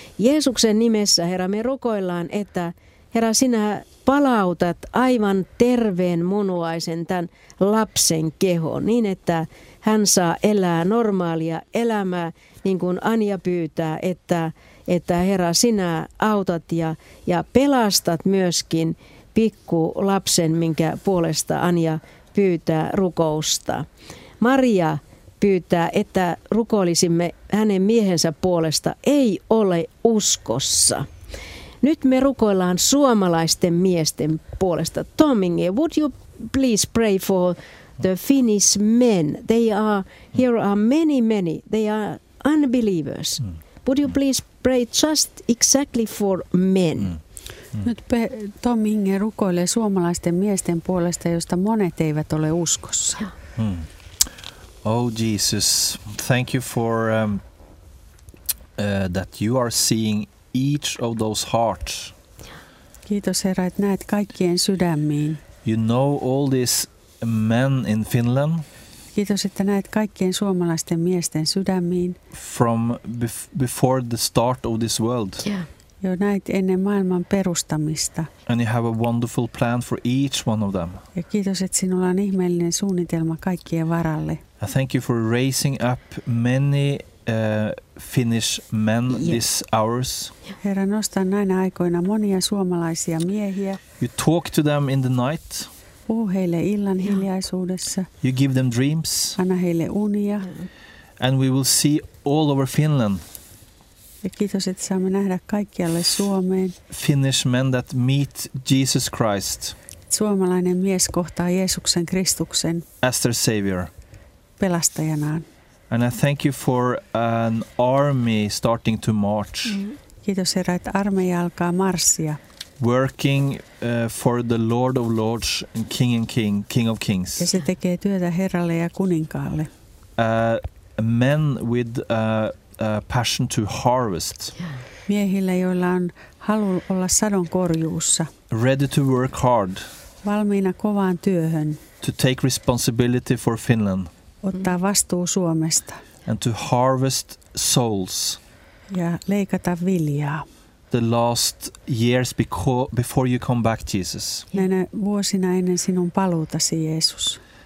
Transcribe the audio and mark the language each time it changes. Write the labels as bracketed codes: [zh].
[fi] Jeesuksen nimessä, Herra, me rukoillaan, että Herra, sinä palautat aivan terveen munuaisen tämän lapsen kehoon niin, että hän saa elää normaalia elämää, niin kuin Anja pyytää, että Herra, sinä autat ja pelastat myöskin pikku lapsen, minkä puolesta Anja pyytää rukousta. Maria pyytää, että rukoilisimme hänen miehensä puolesta, ei ole uskossa. Nyt me rukoillaan suomalaisten miesten puolesta. [en] Tomingi, would you please pray for the Finnish men? Here are many. They are unbelievers. Would you please pray just exactly for men? [fi] Nyt Tom Inge rukoilee suomalaisten miesten puolesta, josta monet eivät ole uskossa. [en] Oh Jesus, thank you for that you are seeing each of those hearts. [fi] Kiitos, Herra, että näet kaikkien sydämiin. [en] You know all these men in Finland. [fi] Kiitos, että näet kaikkien suomalaisten miesten sydämiin. [en] From before the start of this world. [fi] Jo näet ennen maailman perustamista. [en] And you have a wonderful plan for each one of them. [fi] Ja kiitos, että sinulla on ihmeellinen suunnitelma kaikkien varalle. [en] I thank you for raising up many Finnish men this hours. [fi] Herra, nostan näinä aikoina monia suomalaisia miehiä. [en] You talk to them in the night. [fi] Puhu heille illan hiljaisuudessa. [en] You give them dreams. [fi] Anna heille unia. [en] And we will see all over Finland. [fi] Ja kiitos, että saamme nähdä kaikkialle Suomeen. [en] Finnish men that meet Jesus Christ. [fi] Suomalainen mies kohtaa Jeesuksen Kristuksen. [en] As their savior. [fi] Pelastajanaan. [en] And I thank you for an army starting to march. [fi] Kiitos, Herra, että armeija alkaa marssia. [en] Working for the Lord of Lords and King of Kings. [fi] Ja se tekee työtä Herralle ja kuninkaalle. [en] Men with a passion to harvest. [fi] Miehillä, joilla on halu olla sadon korjuussa. [en] Ready to work hard. [fi] Valmiina kovaan työhön. [en] To take responsibility for Finland. [fi] Ottaa vastuu Suomesta. [en] And to harvest souls. [fi] Ja leikata viljaa. [en] The last years before you come back, Jesus. [fi] Näinä vuosina ennen sinun paluutasi, Jeesus.